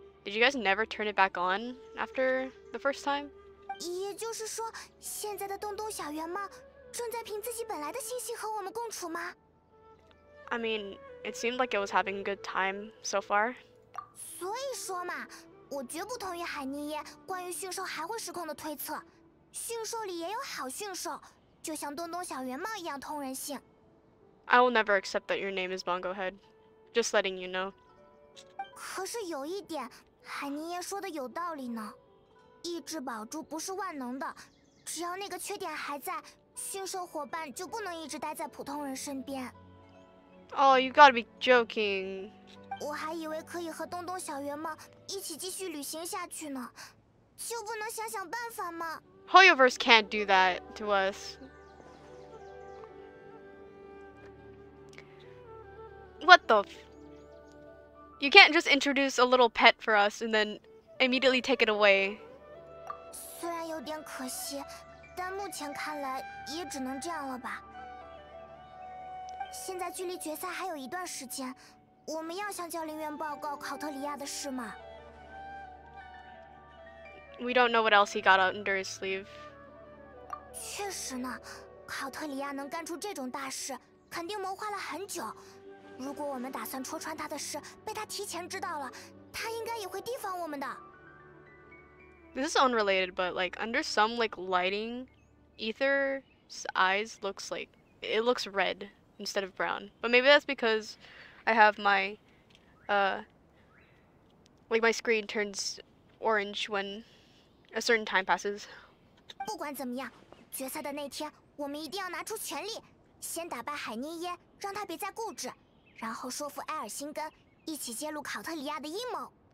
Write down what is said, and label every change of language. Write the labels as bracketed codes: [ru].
[en] Did you guys never turn it back on after the first time? [zh] 也就是说，现在的东东小圆猫正在凭自己本来的心性和我们共处吗 [en] ？I mean, it seemed like it was having a good time so far. [zh] 所以说嘛。我绝不同意海尼耶关于驯兽还会失控的推测，驯兽里也有好驯兽，就像东东小圆猫一样通人性。 [en] I will never accept that your name is Bongo Head. Just letting you know. [zh] 可是有一点，海尼耶说的有道理呢。抑制宝珠不是万能的，只要那个缺点还在，驯兽伙伴就不能一直待在普通人身边。 [en] Oh, you gotta be joking. [zh] 我还以为可以和东东小圆猫。一起继续旅行下去呢，就不能想想办法吗 [en] ？Hoyoverse can't do that to us. What the? You can't just introduce a little pet for us and then immediately take it away. [zh] 虽有点可惜，但目前看来也只能这样了吧。现在距离决赛还有一段时间，我们要向教练院报告考特里亚的事吗？ [en] We don't know what else he got under his sleeve. [zh] 确实呢，考特里亚能干出这种大事，肯定谋划了很久。如果我们打算戳穿他的事，被他提前知道了，他应该也会提防我们的。 [en] This is unrelated, but like under some like lighting, Ether's eyes looks like it looks red instead of brown. But maybe that's because I have my, like my screen turns orange when a certain time passes. [zh] 不管怎么样，决赛的那天我们一定要拿出全力，先打败海尼耶，让他别再固执，然后说服埃尔辛根一起揭露考特里亚的阴谋。